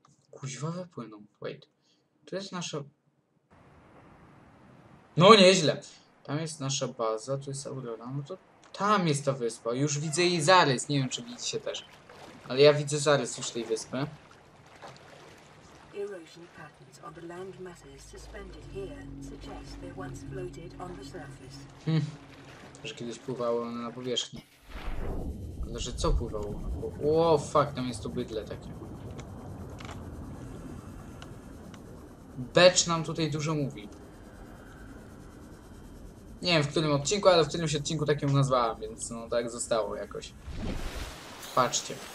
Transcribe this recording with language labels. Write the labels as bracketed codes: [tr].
[pl] Kuźwa wypłyną. Wait. To jest nasza. No, nieźle! Tam jest nasza baza, tu jest Aurora. No to tam jest ta wyspa. Już widzę jej zarys. Nie wiem, czy widzicie też. Ale ja widzę zarys już tej wyspy. [en] Erosion patterns on the land masses suspended here suggest they once floated on the surface. [pl] Że kiedyś pływało na powierzchni. Ale że co pływało? O, fuck, tam jest to bydle takie. Becz nam tutaj dużo mówi. Nie wiem w którym odcinku, ale w którymś odcinku tak ją nazwałem, więc no tak zostało jakoś. Patrzcie.